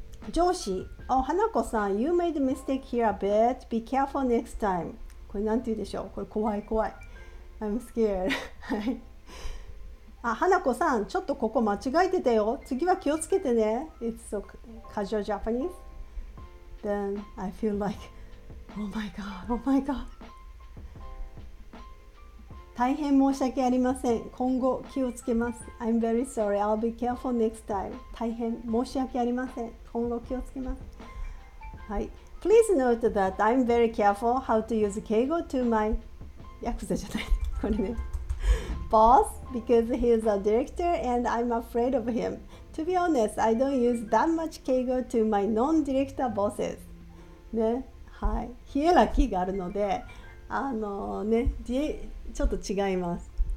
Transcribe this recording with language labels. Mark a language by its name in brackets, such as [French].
[English] 上司、花子さん、You made a mistake here a bit. Be careful next time. [Japanese] これなんて言うでしょう。これ怖い怖い。 [English] I'm scared. [Japanese] はい。あ、花子さん、ちょっとここ間違えてたよ。次は気をつけてね。 [English] It's so casual Japanese. Then I feel like, oh my god, oh my god. [Japanese] 大変申し訳ありません。今後気をつけます。 [English] I'm very sorry. I'll be careful next time. [Japanese] 大変申し訳ありません。 [English] 今後気をつけます。はい。Please note that I'm very careful how to use 敬語 to my [Japanese] ヤクザじゃない。これね。 [English] Boss, because he is a director and I'm afraid of him. To be honest, I don't use that much 敬語 to my non-director bosses. [Japanese] ね、はい、ヒエラキーがあるので、ね、ちょっと違います。